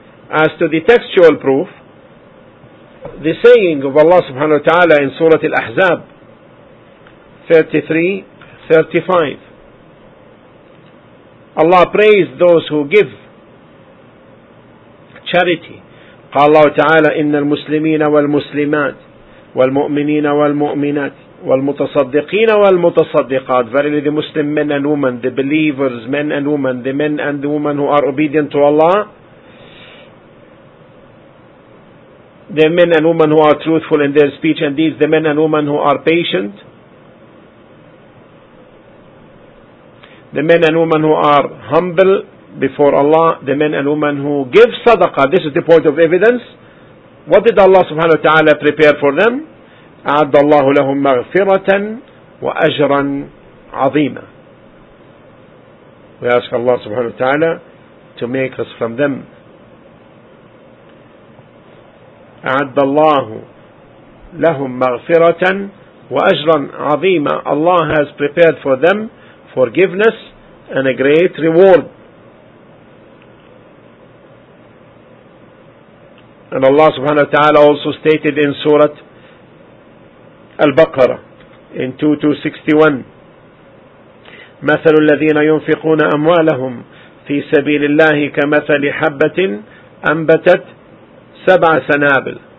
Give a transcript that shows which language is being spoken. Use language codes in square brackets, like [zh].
[en] As to the textual proof, the saying of Allah subhanahu wa ta'ala in Surah Al-Ahzab 33:35, Allah praised those who give charity. [ar] قال الله تعالى إن المسلمين والمسلمات والمؤمنين والمؤمنات والمتصدقين والمتصدقات. [en] Verily the Muslim men and women, the believers men and women, the men and women who are obedient to Allah, the men and women who are truthful in their speech and deeds, the men and women who are patient, the men and women who are humble before Allah, the men and women who give sadaqah. This is the point of evidence. What did Allah subhanahu wa ta'ala prepare for them? [ar] أَعَدَّ اللَّهُ لَهُمْ مَغْفِرَةً وَأَجْرًا عَظِيمًا. [en] We ask Allah subhanahu wa ta'ala to make us from them. [ar] أَعَدَّ اللَّهُ لَهُمْ مَغْفِرَةً وَأَجْرًا عَظِيمًا. [en] Allah has prepared for them forgiveness and a great reward. And Allah subhanahu wa ta'ala also stated in Surah Al-Baqarah in 2261, [ar] مَثَلُ الَّذِينَ يُنْفِقُونَ أَمْوَالَهُمْ فِي سَبِيلِ اللَّهِ كَمَثَلِ حَبَّةٍ أَنْبَتَتْ سَبْعَ سَنَابِلْ.